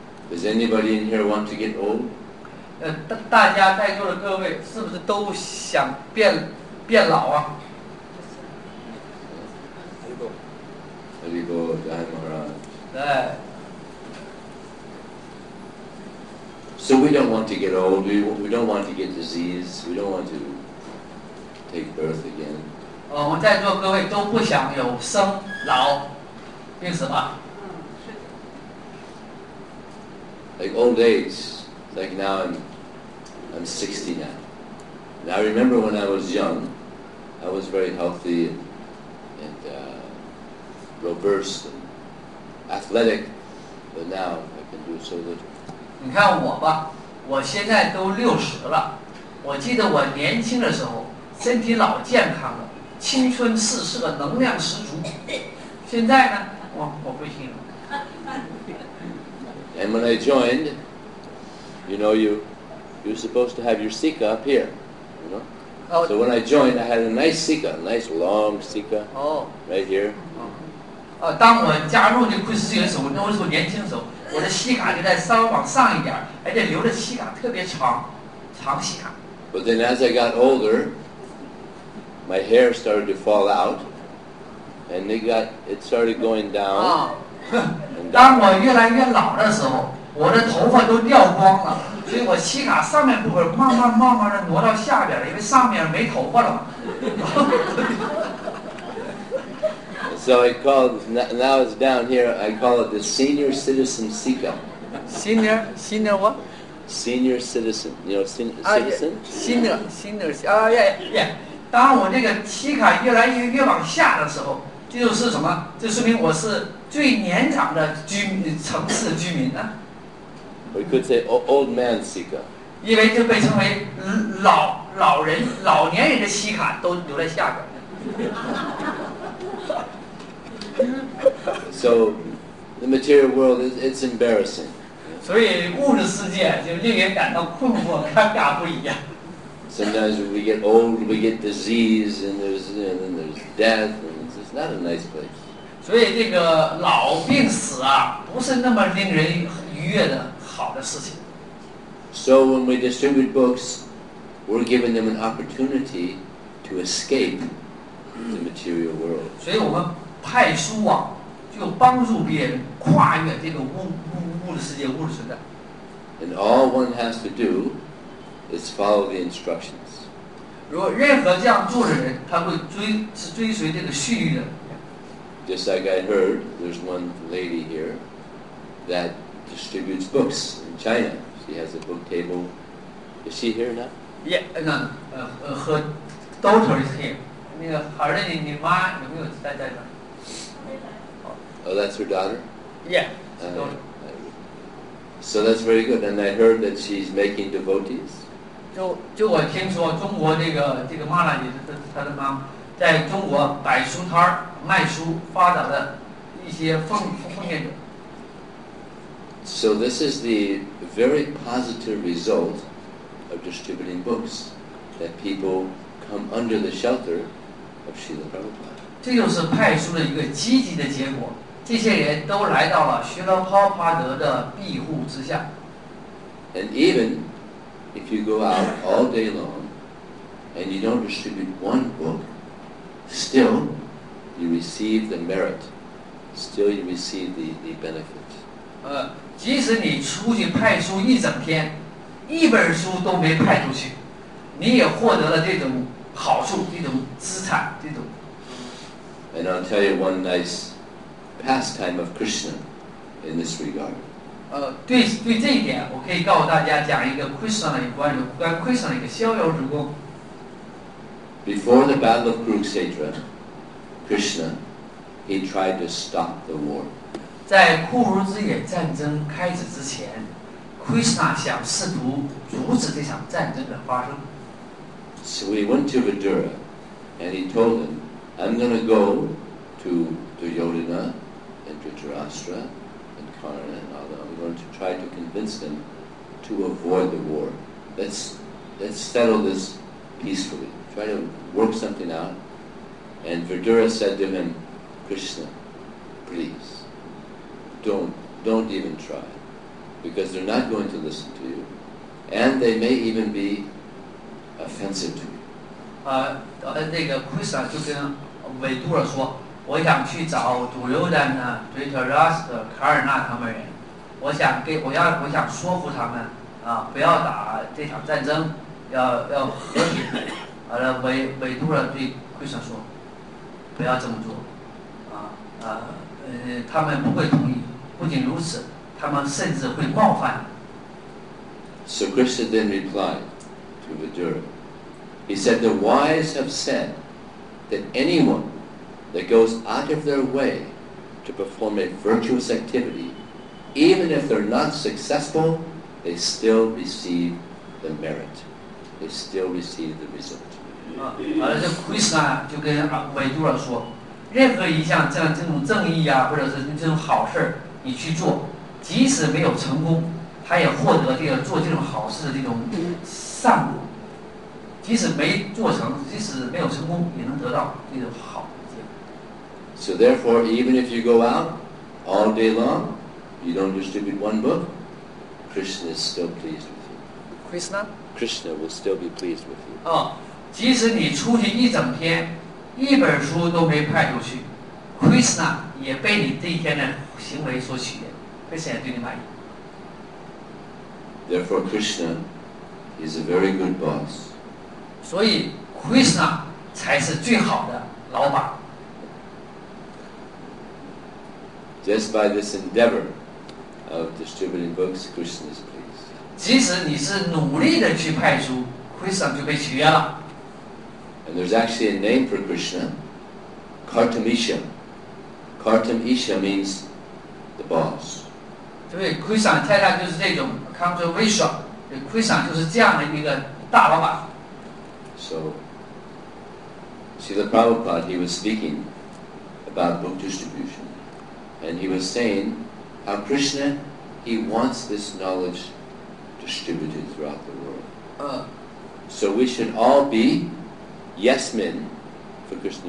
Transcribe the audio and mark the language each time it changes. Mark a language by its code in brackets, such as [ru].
[en] Does anybody in here want to get old? [zh] 大家在座的各位是不是都想变老啊？阿里波，阿里波，对。 [en] So we don't want to get old. We don't want to get disease. We don't want to take birth again. [zh] 我们在座各位都不想有生老病死吧？ [en] Like old age, like now I'm 60 now. And I remember when I was young, I was very healthy and robust and athletic, but now I can do so little. [zh] 你看我吧，我现在都60了。我记得我年轻的时候，身体老健康了，青春四射，能量十足。现在呢，我不行了。 [en] And when I joined, you know, you're supposed to have your sikha up here, you know? So when I joined, I had a nice sikha, a nice long sikha, right here. [zh] 当我加入这昆士兰的时候，那时候年轻的时候，我的西卡就在稍微往上一点，而且留的西卡特别长，长西卡。 [en] But then as I got older, my hair started to fall out, and it started going down. [zh] 当我越来越老的时候，我的头发都掉光了，所以我西卡上面部分慢慢的挪到下边了，因为上面没头发了。 [en] So I call it, now it's down here, I call it the senior citizen sikha. Senior what? Senior citizen. You know, citizen? Senior. Yeah. [zh] 当我这个sikha越来越往下的时候，这就是什么？这说明我是最年长的城市居民啊。 [en] We could say old man sikha. [zh] 因为就被称为老年人的sikha都留在下边。 [en] So, the material world is embarrassing. [zh] 所以物质世界就令人感到困惑，尴尬不已呀。 [en] Sometimes we get old, we get disease, and there's death, and it's not a nice place. [zh] 所以这个老病死啊，不是那么令人愉悦的好的事情。 [en] So when we distribute books, we're giving them an opportunity to escape the material world. [zh] 所以我们派书啊，就帮助别人跨越这个物质世界、物质存在。 [en] And all one has to do is follow the instructions. [zh] 如果任何这样做的人，他会追随这个序律的。 [en] Just like I heard, there's one lady here that distributes books in China. She has a book table. Is she here now? Yeah, no. Her daughter is here. [zh] 那个儿子，你妈有没有在这儿？ [en] Oh, that's her daughter? Yeah. So that's very good. And I heard that she's making devotees. [zh] 就我听说中国这个妈妈，也是她的妈妈，在中国摆书摊儿卖书，发展的一些奉献者。 [en] So this is the very positive result of distributing books, that people come under the shelter of Srila Prabhupada. [zh] 这就是派书的一个积极的结果。这些人都来到了希拉帕帕德的庇护之下。 [en] And even if you go out all day long, and you don't distribute one book, still you receive the merit. Still you receive the benefit. [zh] 即使你出去派书一整天，一本书都没派出去，你也获得了这种好处，这种资产，这种。 [en] And I'll tell you one nice pastime of Krishna in this regard. [zh] 对这一点，我可以告诉大家讲一个 Krishna 的关于 Krishna 的一个逍遥之功。 [en] Before the battle of Kurukshetra, Krishna, he tried to stop the war. [zh] 在库卢兹野战争开始之前 ，Krishna 想试图阻止这场战争的发生。 [en] So he went to Vidura, and he told them, "I'm going to go to Duryodhana and Dhritarashtra and Karna and all that. I'm going to try to convince them to avoid the war. Let's settle this peacefully. Try to work something out." And Vidura said to him, "Krishna, please, don't even try, because they're not going to listen to you, and they may even be." offensive to you. [zh] 那个 Krishna 就跟韦杜尔说，我想去找杜尤丹呢，对特拉斯特卡尔纳他们人，我想说服他们啊，不要打这场战争，要和平。完了，韦杜尔对 Krishna 说，不要这么做，他们不会同意。不仅如此，他们甚至会冒犯。 [en] So Krishna then replied. Vidura. He said, the wise have said that anyone that goes out of their way to perform a virtuous activity, even if they're not successful, they still receive the merit. They still receive the result. [zh] Krishna 就跟韦杜尔说，任何一项这种正义啊，或者是这种好事你去做，即使没有成功，他也获得这个做这种好事的这种善果。即使没做成，即使没有成功，也能得到这种好的结果。 [en] So therefore, even if you go out all day long, you don't distribute one book, Krishna is still pleased with you. Krishna? Krishna will still be pleased with you. [zh] 即使你出去一整天，一本书都没派出去 ，Krishna 也被你这一天的行为所取悦 ，Krishna 对你满意。 [en] Therefore, Krishna is a very good boss. [zh] 所以 Krishna 才是最好的老板。 [en] Just by this endeavor of distributing books, Krishna is pleased. [zh] 即使你是努力的去派书 ，Krishna 就被取悦了。 [en] And there's actually a name for Krishna, Kartamisha. Kartamisha means the boss. [zh] 对 ，Krishna 太太就是这种 Kartamisha， Krishna 就是这样的一个大老板。 [en] So, Srila Prabhupada, he was speaking about book distribution. And he was saying how Krishna, he wants this knowledge distributed throughout the world. So we should all be yes men for Krishna.